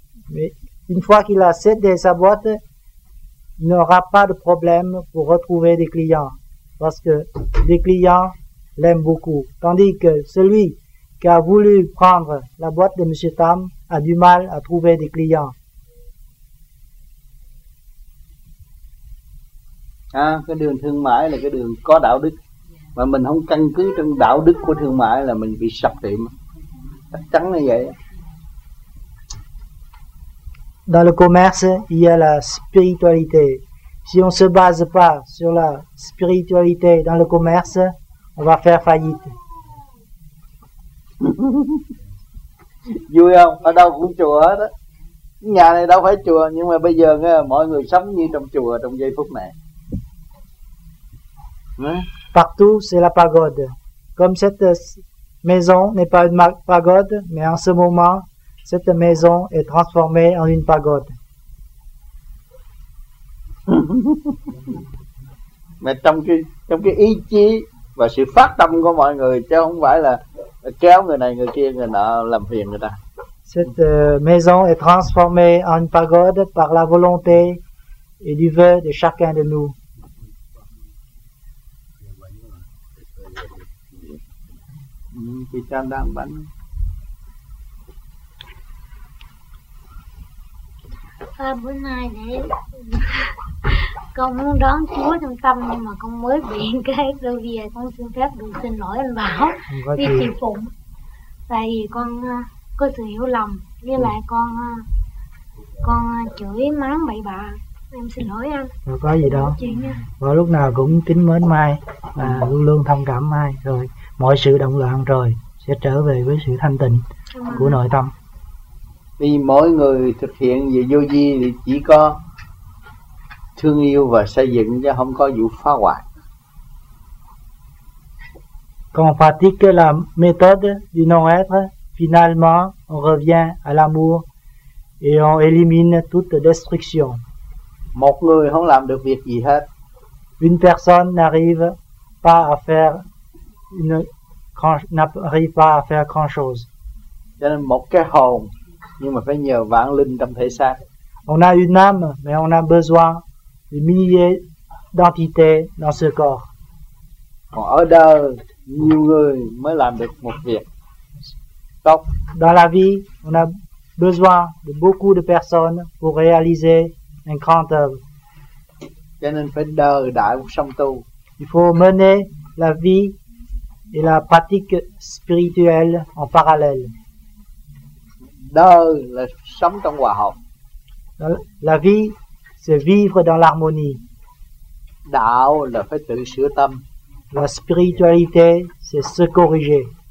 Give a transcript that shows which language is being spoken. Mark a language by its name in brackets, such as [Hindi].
[French] Mais une fois qu'il a cédé sa boîte, il n'aura pas de problème pour retrouver des clients, parce que les clients l'aiment beaucoup. Tandis que celui qui a voulu prendre la boîte de M. Tam a du mal à trouver des clients. [Vietnamese] À, cái đường thương mại là cái đường có đạo đức, mà mình không căn cứ trong đạo đức của thương mại là mình bị sập tiệm, chắc chắn là vậy. [French] Dans le commerce, il y a la spiritualité. Si on se base pas sur la spiritualité dans le commerce, on va faire faillite. [Vietnamese] Vui không? Ở đâu cũng chùa hết á. Nhà này đâu phải chùa, nhưng mà bây giờ nghe, mọi người sống như trong chùa trong giây phút này. [French] Partout c'est la pagode. Comme cette maison n'est pas une pagode, mais en ce moment, cette maison est transformée en une pagode. [Vietnamese] Mais trong cái ý chí và sự phát tâm của mọi người, chứ không phải là kéo người này người kia người nọ làm phiền người ta. [French] Cette maison est transformée en une pagode par la volonté et du vœu de chacun de nous. [Vietnamese] Thì trang đang bánh. À, bữa nay để con muốn đón Chúa trong tâm, nhưng mà con mới bị cái đâu về, con xin phép được xin lỗi anh Bảo với chị Phụng, tại vì con có sự hiểu lầm với lại con chửi mắng bậy bạ, em xin lỗi anh. Rồi có gì đâu, và lúc nào cũng kính mến Mai và luôn luôn thông cảm Mai, rồi mọi sự động loạn rồi sẽ trở về với sự thanh tịnh của nội tâm. Vì mỗi người thực hiện về vô vi thì chỉ có thương yêu và xây dựng, chứ không có vụ phá hoại. [French] Quand on pratique la méthode du non-être, finalement on revient à l'amour et on élimine toute destruction. [Vietnamese] Một người không làm được việc gì hết. [French] Une personne n'arrive pas à faire grand chose. [Vietnamese] Cho nên một cái hồn nhưng mà phải nhờ vạn linh trong thể xác. [French] On a une âme mais on a besoin de milliers d'entités dans ce corps. [Vietnamese] Còn ở đời nhiều người mới làm được một việc. [French] Donc, dans la vie, on a besoin de beaucoup de personnes pour réaliser un grand œuvre. [Vietnamese] Cho nên phải đời đại một song tu. [French] Il faut mener la vie et la pratique spirituelle en parallèle. [Vietnamese] Đời là sống trong hòa hợp. [French] La vie, c'est vivre dans l'harmonie. [Vietnamese] Đạo là phải tự sửa tâm. [French] La spiritualité, c'est se corriger.